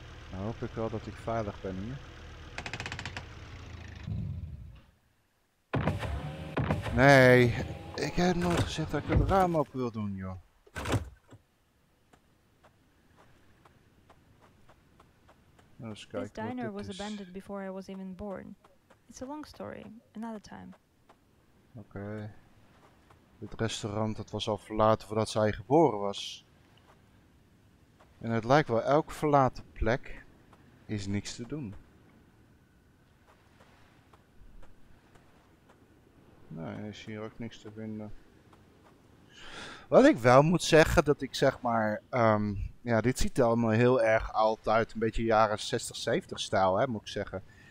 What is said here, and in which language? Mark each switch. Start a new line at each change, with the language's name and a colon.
Dutch: Dan hoop ik wel dat ik veilig ben hier. Nee, Ik heb nooit gezegd dat ik het raam open wil doen, joh.
English: This diner was abandoned before I was even born. It's a long story, another time. Okay.
Dutch: Het restaurant dat was al verlaten voordat zij geboren was. En het lijkt wel elk verlaten plek is niks te doen. Nou, er is hier ook niks te vinden. Wat ik wel moet zeggen, dat ik zeg maar, ja, dit ziet er allemaal heel erg oud uit, een beetje jaren 60, 70 stijl, hè, moet ik zeggen.